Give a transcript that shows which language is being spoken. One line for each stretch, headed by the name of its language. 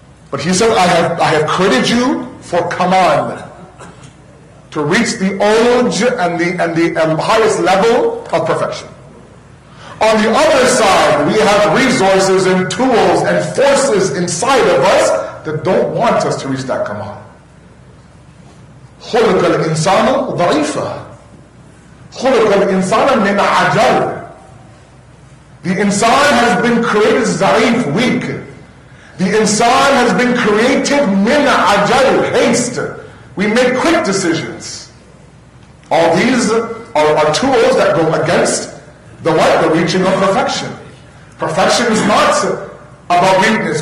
English: But He said, I have created you for kamal, to reach the ulj and the highest level of perfection. On the other side, we have resources and tools and forces inside of us that don't want us to reach that kamal.
Arabic: خلق الإنسان ضعيفا خلق الإنسان من عجل.
English: The insan has been created za'if, weak. The insan has been created min ajal, haste. We make quick decisions. All these are tools that go against the reaching of perfection. Perfection is not about weakness.